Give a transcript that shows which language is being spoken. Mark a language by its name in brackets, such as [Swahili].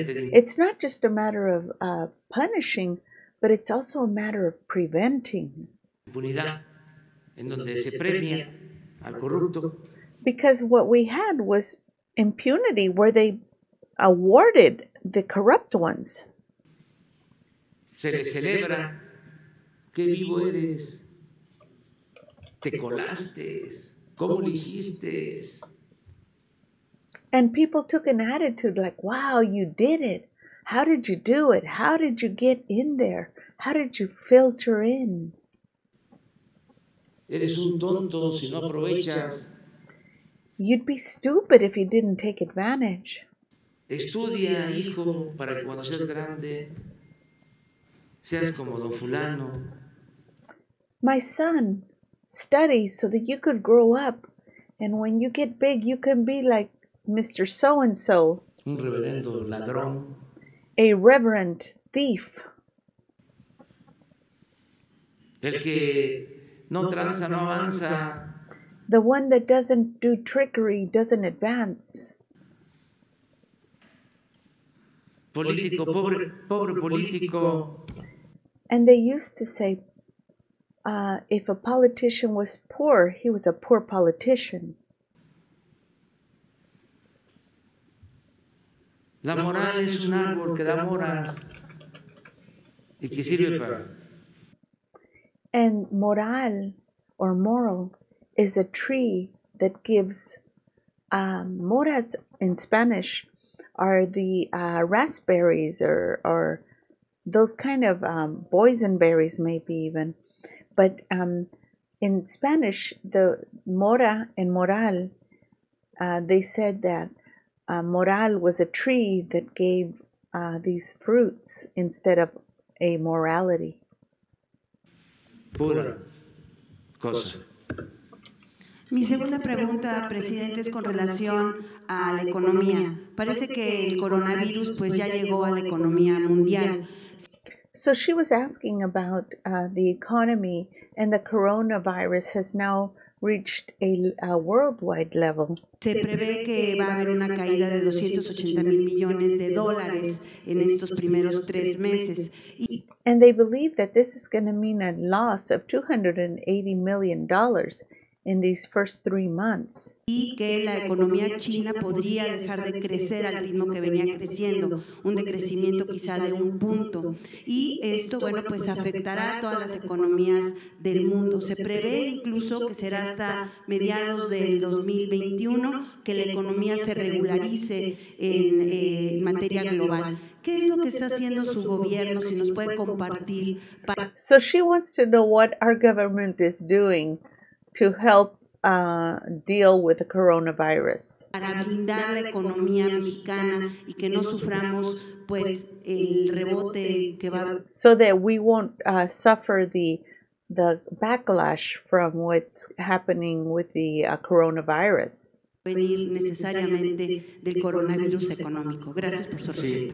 [English] It's not just a matter of punishing, but it's also a matter of preventing. [Spanish] Impunidad, en donde se premia. Al corrupto. [English] Because what we had was impunity where they awarded the corrupt ones. [Spanish] Se le celebra. Qué vivo eres. Te colaste. ¿Cómo lo hiciste? [English] And people took an attitude like, wow, you did it. How did you do it? How did you get in there? How did you filter in? [Spanish] Eres un tonto si no aprovechas. [English] You'd be stupid if you didn't take advantage. [Spanish] Estudia, hijo, para que cuando seas grande, seas como don fulano. [English] My son, study so that you could grow up. And when you get big, you can be like Mr. So-and-so. [Spanish] Un reverendo ladrón. [English] A reverend thief. [Spanish] El que... No tranza, no avanza. [English] The one that doesn't do trickery doesn't advance. [Spanish] Político, pobre político. [English] And they used to say, if a politician was poor, he was a poor politician. [Spanish] La moral es un árbol que da moras y que sirve para... [English] And moral, or moral, is a tree that gives, moras in Spanish, are the raspberries or those kind of boysenberries maybe even. But in Spanish, the mora and moral, they said that moral was a tree that gave these fruits instead of a morality. [Spanish] Pura cosa. Mi segunda pregunta, presidente, es con relación a la economía. Parece que el coronavirus pues ya llegó a la economía mundial. [English] So she was asking about the economy, and the coronavirus has now reached a worldwide level. [Spanish] Se prevé que va a haber una caída de 280 mil millones de dólares en estos primeros tres meses. [English] And they believe that this is going to mean a loss of $280 million in these first three months. [Spanish] Y que la economía china podría dejar de crecer al ritmo que venía creciendo, un decrecimiento quizá de un punto. Y esto, bueno, pues afectará a todas las economías del mundo. Se prevé incluso que será hasta mediados del 2021 que la economía se regularice en materia global. ¿Qué es lo que está haciendo su gobierno, si nos puede compartir? [English] So she wants to know what our government is doing to help deal with the coronavirus. [Spanish] Para blindar la economía mexicana y que no suframos, pues, el rebote que va. [English] So that we won't suffer the backlash from what's happening with the coronavirus. [Spanish] Venir necesariamente del coronavirus económico. Gracias por su respuesta.